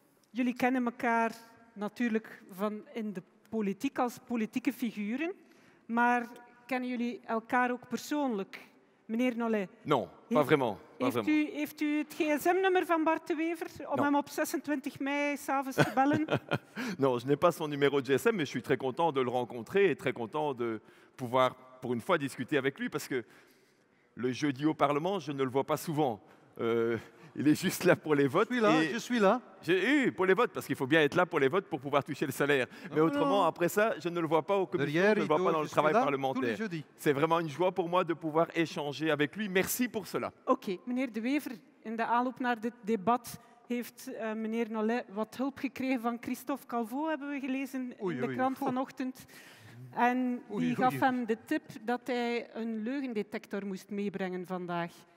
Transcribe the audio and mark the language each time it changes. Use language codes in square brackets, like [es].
[nl] Jullie kennen elkaar natuurlijk van in de politiek als politieke figuren, maar kennen jullie elkaar ook persoonlijk, meneer Nollet? [fr] Non, pas vraiment. [nl] Heeft u het gsm-nummer van Bart De Wever om hem op 26 mei 's avonds te bellen? [fr] Non, je n'ai pas son numéro de gsm, mais je suis très content de le rencontrer et très content de pouvoir pour une fois discuter avec lui, parce que le jeudi au Parlement, je ne le vois pas souvent. Il est juste là pour les votes. Je suis là, et je suis là. Pour les votes, parce qu'il faut bien être là pour les votes pour pouvoir toucher le salaire. Mais autrement, après ça, je ne le vois pas au commissaire, je ne le vois pas dans le travail parlementaire. Tous les jeudis. C'est vraiment une joie pour moi de pouvoir échanger avec lui. Merci pour cela. [nl] Ok, meneer De Wever, in de aanloop naar dit debat heeft meneer Nollet wat hulp gekregen van Christophe Calvo, hebben we gelezen in de krant vanochtend. En die gaf hem de tip dat hij een leugendetector moest meebrengen vandaag.